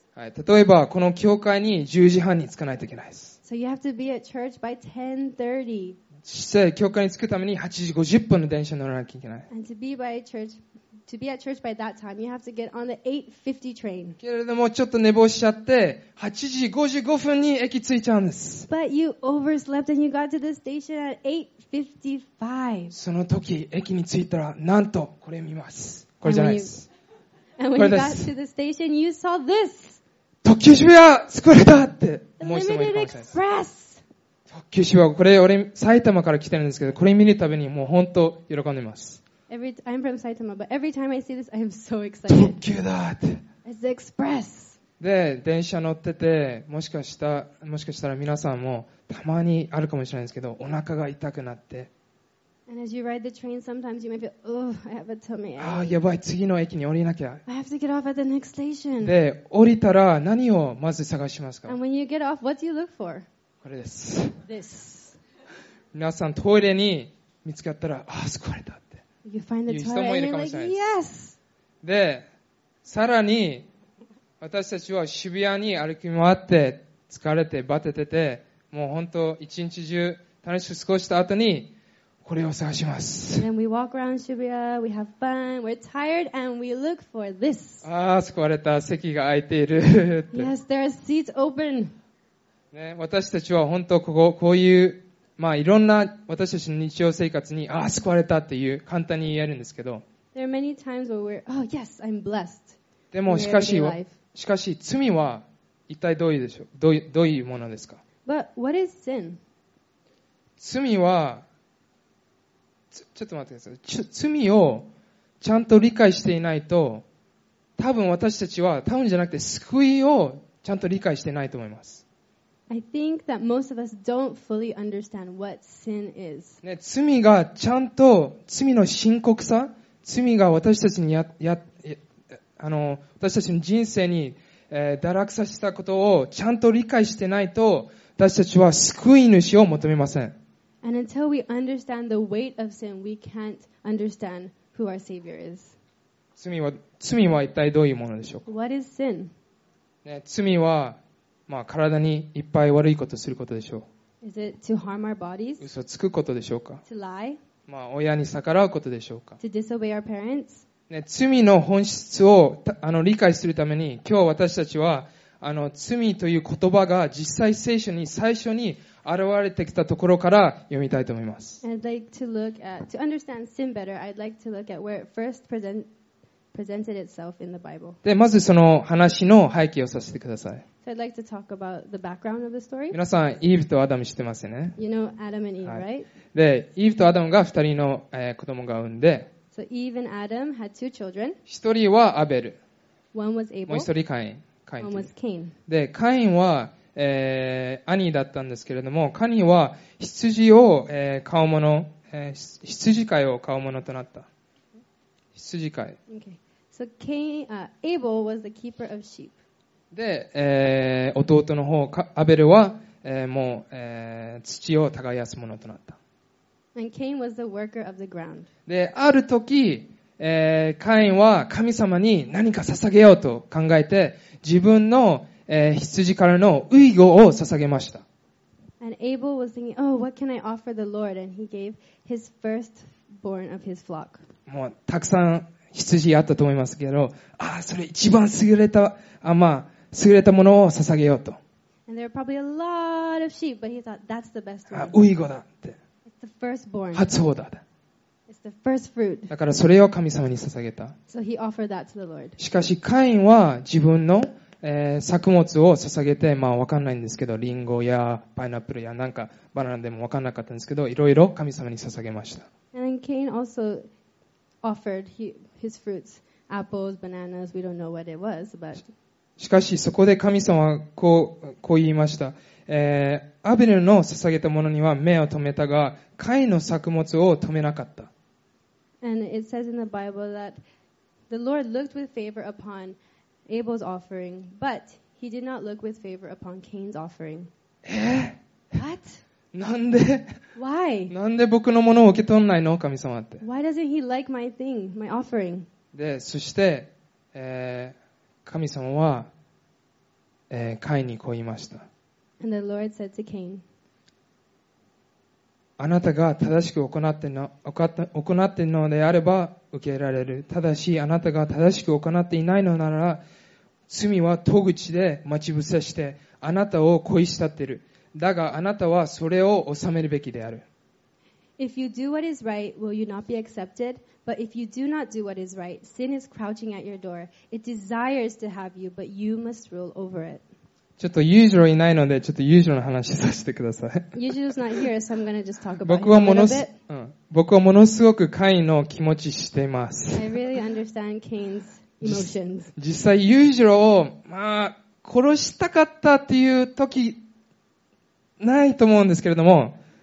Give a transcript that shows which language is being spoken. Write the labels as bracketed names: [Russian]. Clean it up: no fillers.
[Japanese] はい、例えばこの教会に10時半に着かないといけないです。 [English] So you have to be at church by 10:30. [Japanese] 教会に着くために8時50分の電車に乗らなきゃいけない。 [English] And to be by church, to be at church by that time, you have to get on the 8:50 train. [Japanese] けれどもちょっと寝坊しちゃって8時55分に駅着いちゃうんです。 [English] But you overslept and you got to the station at 8:55. [Japanese] その時駅に着いたらなんとこれ見ます。これじゃないです。 [English] And when you got to the station, you saw this. [Japanese] 特急渋谷救われたって思う人もいるかもしれないです。特急渋谷、これ俺埼玉から来てるんですけど、これ見るたびにもう本当喜んでます。 [English] I'm from Saitama, but every time I see this, I am so excited. [Japanese] 特急だって。 [English] It's the express. [Japanese] で電車乗ってて、もしかしたら皆さんもたまにあるかもしれないんですけど、お腹が痛くなって。 [English] And as you ride the train, sometimes you might feel, oh, I have a tummy ache. [Japanese] ああやばい、次の駅に降りなきゃ。 [English] I have to get off at the next station. [Japanese] で降りたら何をまず探しますか。 [English] And when you get off, what do you look for? [Japanese] これです。 [English] This. [Japanese] 皆さんトイレに見つかったら、ああ、救われたって。 [English] You find the toilet, [Japanese] いう人もいるかもしれないです。 [English] Like, yes! [Japanese] で、さらに、私たちは渋谷に歩き回って、疲れてバテてて、もう本当、一日中楽しく過ごした後に、これを探します。 [English] Then we walk around Shibuya, we have fun, we're tired, and we look for this. [Japanese] ああ、救われた、席が空いているって。 [English] Yes, there are seats open. [Japanese] ね、私たちは本当こういう、まあ、いろんな私たちの日常生活に、ああ、救われたっていう、簡単に言えるんですけど。 [English] There are many times where we're, oh, yes, I'm blessed. [Japanese] でも、しかし、罪は一体どういうものですか? [English] But what is sin? [Japanese] 罪は、ちょっと待ってください。罪をちゃんと理解していないと、多分じゃなくて救いをちゃんと理解していないと思います。 [English] I think that most of us don't fully understand what sin is. [Japanese] ね、罪がちゃんと罪の深刻さ、罪が私たちにあの私たちの人生に、堕落させたことをちゃんと理解してないと、私たちは救い主を求めません。 [English] And until we understand the weight of sin, we can't understand who our Savior is. [Japanese] 罪は一体どういうものでしょうか? [English] What is sin? [Japanese] ね、罪はまあ、体にいっぱい悪いことすることでしょう。 [English] Is it to harm our bodies? [Japanese] 嘘つくことでしょうか。 [English] To lie? [Japanese] まあ、親に逆らうことでしょうか。 [English] To disobey our parents? [Japanese] ね、罪の本質を理解するために、今日私たちは罪という言葉が実際聖書に最初に現れてきたところから読みたいと思います。 [English] I'd like to look at, to understand sin better, I'd like to look at where it first presented itself in the Bible. [Japanese] で、まずその話の背景をさせてください。 [English] So I'd like to talk about the background of the story. [Japanese] 皆さん、イーブとアダム知ってますよね。 [English] You know Adam and Eve,、はい、right? [Japanese] で、イーブとアダムが二人の、子供が産んで、 [English] So Eve and Adam had two children. [Japanese] 一人はアベル。 [English] One was Abel. [Japanese] もう一人カイン。カイン。 [English] One was Cain. [Japanese] で、カインは、兄だったんですけれども、カインは羊を、飼うもの、羊飼いを飼うものとなった。羊飼い。 [English] Okay. So Cain, Abel was the keeper of sheep. [Japanese] で、弟の方アベルは、もう、土を耕すものとなった。 [English] And Cain was the worker of the ground. [Japanese] で、ある時、カインは神様に何か捧げようと考えて、自分の、羊からのウイゴを捧げました。 [English] And Abel was thinking, oh, what can I offer the Lord? And he gave his firstborn of his flock. [Japanese] もうたくさん羊あったと思いますけど、あ、それ一番優れた、あ、まあ、優れたものを捧げようと。 [English] And there were probably a lot of sheep, but he thought that's the best one. [Japanese] あ、ウイゴだって。 [English] It's the firstborn. [Japanese] 初穂だ。 [English] It's the first fruit. [Japanese] だからそれを神様に捧げた。 [English] So he offered that to the Lord. [Japanese] しかし、カインは自分の、作物を捧げて、まあわかんないんですけど、リンゴやパイナップルやなんかバナナでもわかんなかったんですけど、いろいろ神様に捧げました。 [English] And then Cain also offered his fruits, apples, bananas, we don't know what it was, but... [Japanese] しかしそこで神様はこう言いました、アベルの捧げたものには目を留めたが、カインの作物を止めなかった。 [English] And it says in the Bible that the Lord looked with favor upon Abel's offering, but he did not look with favor upon Cain's offering. What? [Japanese] なんで? [English] Why? [Japanese] なんで僕のものを受け取んないの? 神様って。 [English] Why doesn't he like my thing, my offering? [Japanese] で、そして、神様は、カインにこう言いました。 [English] And the Lord said to Cain, [Japanese] あなたが正しく行っているのであれば受けられる。ただし、あなたが正しく行っていないのなら、罪は戸口で待ち伏せしてあなたを恋し立てる。だがあなたはそれを収めるべきである。 [English] If you do what is right, will you not be accepted? But if you do not do what is right, sin is crouching at your door. It desires to have you, but you must rule over it. [Japanese] ちょっとユージローいないので、ちょっとユージローの話させてください。 [English] ユージローは not here, so I'm going to just talk about him a little bit. [Japanese] 僕はものすごくカインの気持ちしています。 [English] I really understand Cain's emotions. [Japanese] 実際ユージローを、まあ、殺したかったっていう時、ないと思うんですけれども。